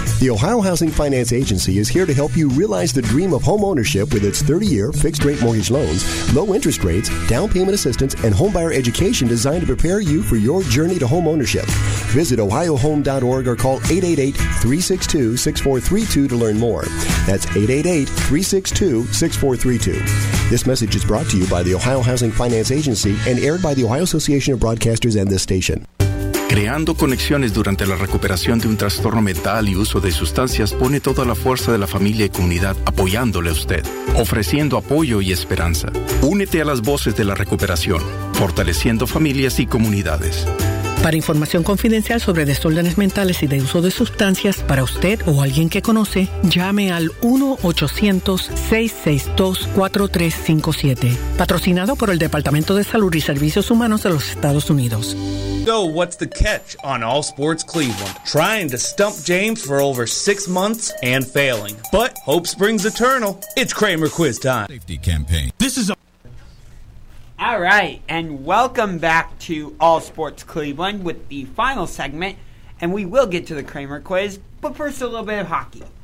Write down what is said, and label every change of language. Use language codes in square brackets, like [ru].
[en] The Ohio Housing Finance Agency is here to help you realize the dream of home ownership with its 30-year fixed-rate mortgage loans, low interest rates, down payment assistance, and homebuyer education designed to prepare you for your journey to home ownership. Visit ohiohome.org or call 888-362-6432 to learn more. That's 888-362-6432. This message is brought to you by the Ohio Housing Finance Agency and aired by the Ohio Association of Broadcasters and this station. [es] Creando conexiones durante la recuperación de un trastorno mental y uso de sustancias pone toda la fuerza de la familia y comunidad apoyándole a usted, ofreciendo apoyo y esperanza. Únete a las voces de la recuperación, fortaleciendo familias y comunidades. Para información confidencial sobre desórdenes mentales y de uso de sustancias para usted o alguien que conoce, llame al 1-800-662-4357. Patrocinado por el Departamento de Salud y Servicios Humanos de los Estados Unidos. [en] So what's the catch on All Sports Cleveland? Trying to stump James for over 6 months and failing. But hope springs eternal. It's Kramer Quiz time. Safety campaign. This is a... All right, and welcome back to All Sports Cleveland with the final segment, and we will get to the Kramer Quiz, but first a little bit of hockey.